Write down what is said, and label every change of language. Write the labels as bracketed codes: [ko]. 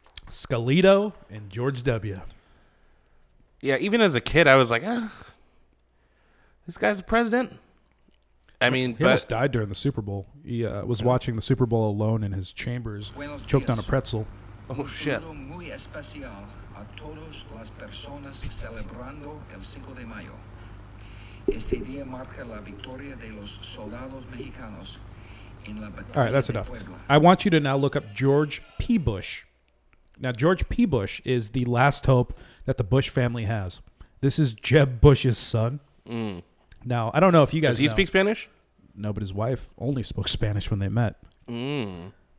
[en] Scalito and George W. Yeah, even as a kid, I was like, this guy's the president? I mean, he almost died during the Super Bowl. He was watching the Super Bowl alone in his chambers, choked on a pretzel. Oh, shit. [es] Muy especial a todos las personas celebrando el Cinco de Mayo. Este día marca la victoria de los soldados mexicanos en la batalla. [en] All right, that's enough. I want you to now look up George P. Bush. Now, George P. Bush is the last hope that the Bush family has. This is Jeb Bush's son. Now, I don't know if you guys know. Does he speak Spanish? No, but his wife only spoke Spanish when they met. Mm.